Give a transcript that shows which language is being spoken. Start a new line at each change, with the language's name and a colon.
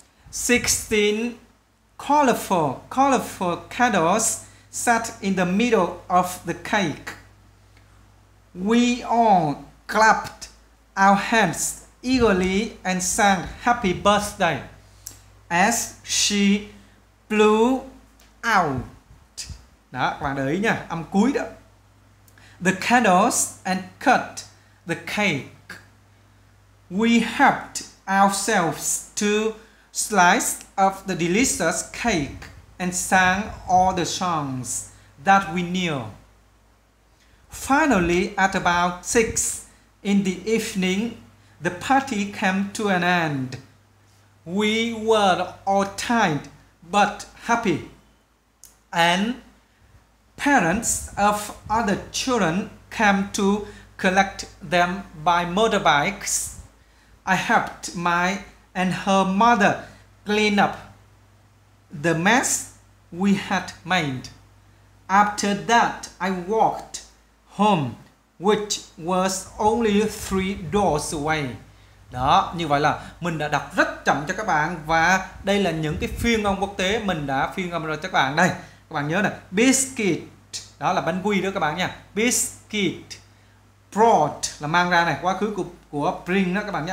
English: 16 colorful candles sat in the middle of the cake. We all clapped our hands eagerly and sang happy birthday as she blew out.
Vietnamese: Đó, các bạn để ý nha, âm cuối đó.
English: The candles and cut the cake. We helped ourselves to slice of the delicious cake and sang all the songs that we knew. Finally, at about 6 in the evening, the party came to an end. We were all tired but happy. And parents of other children came to collect them by motorbikes. I helped my and her mother clean up the mess we had made. After that, I walked home which was only 3 doors away.
Vietnamese: Đó, như vậy là mình đã đọc rất chậm cho các bạn và đây là những cái phiên âm quốc tế mình đã phiên âm rồi cho các bạn đây. Các bạn nhớ này, biscuit đó là bánh quy đó các bạn nha. Biscuit, brought là mang ra này, quá khứ của bring đó các bạn nhé.